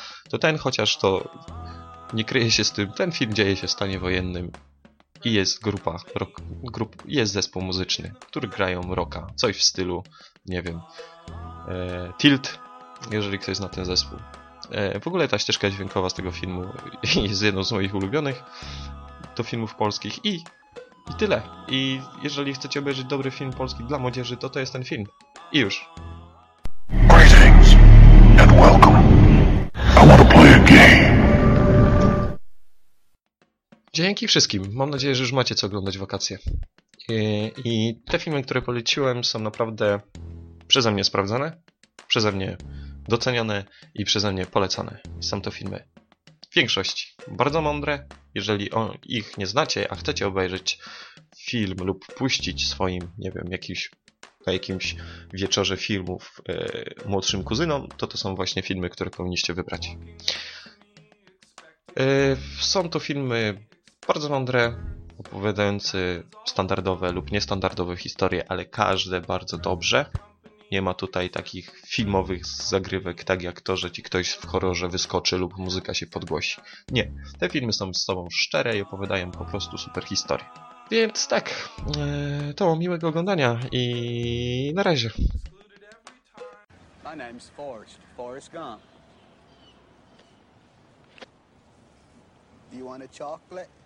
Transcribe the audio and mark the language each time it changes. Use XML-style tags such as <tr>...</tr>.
<pl>To ten chociaż to nie kryje się z tym, ten film dzieje się w stanie wojennym i jest grupa, jest zespół muzyczny, który grają rocka, coś w stylu, nie wiem, Tilt, jeżeli ktoś zna ten zespół. W ogóle ta ścieżka dźwiękowa z tego filmu jest jedną z moich ulubionych do filmów polskich i tyle. I jeżeli chcecie obejrzeć dobry film polski dla młodzieży, to jest ten film. I już.</pl> <en>Greetings and welcome. I want to play a game.</en> <pl>Dzięki wszystkim. Mam nadzieję, że już macie co oglądać w wakacje. I te filmy, które poleciłem, są naprawdę przeze mnie sprawdzane, przeze mnie doceniane i przeze mnie polecane. Są to filmy w większości bardzo mądre. Jeżeli ich nie znacie, a chcecie obejrzeć film lub puścić swoim, nie wiem, na jakimś wieczorze filmów młodszym kuzynom, to są właśnie filmy, które powinniście wybrać. Są to filmy bardzo mądre, opowiadające standardowe lub niestandardowe historie, ale każde bardzo dobrze. Nie ma tutaj takich filmowych zagrywek, tak jak to, że ci ktoś w horrorze wyskoczy lub muzyka się podgłosi. Nie. Te filmy są z sobą szczere i opowiadają po prostu super historię. Więc tak, to miłego oglądania i na razie.</pl> <en>My name's Forrest. Forrest Gump. Do you want a chocolate?</en>